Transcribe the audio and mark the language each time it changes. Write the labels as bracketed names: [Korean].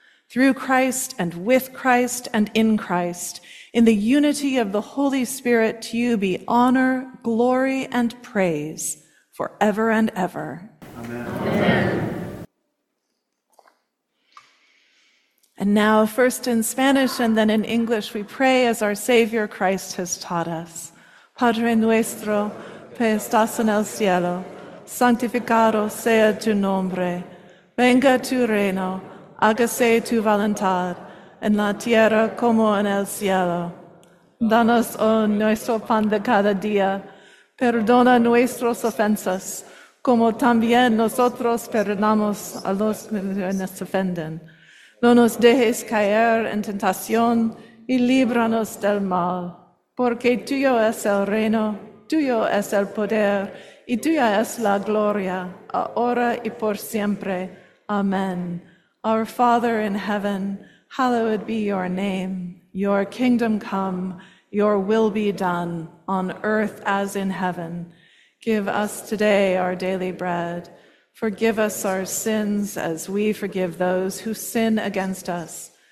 [English] Through Christ and with Christ and in Christ, in the unity of the Holy Spirit, to you be honor, glory, and praise forever and ever. And now, first in Spanish and then in English, we pray as our Savior Christ has taught us. [Spanish] Padre nuestro, que estás en el cielo, santificado sea tu nombre. Venga tu reino, hágase tu voluntad, en la tierra como en el cielo. Danos hoy nuestro pan de cada día. Perdona nuestras ofensas, como también nosotros perdonamos a los que nos ofenden. No nos dejes caer en tentación y líbranos del mal. Porque tuyo es el reino, tuyo es el poder y tuya es la gloria, ahora y por siempre. Amen. [English] Our Father in heaven, hallowed be your name. Your kingdom come, your will be done on earth as in heaven. Give us today our daily bread. Forgive us our sins as we forgive those who sin against us.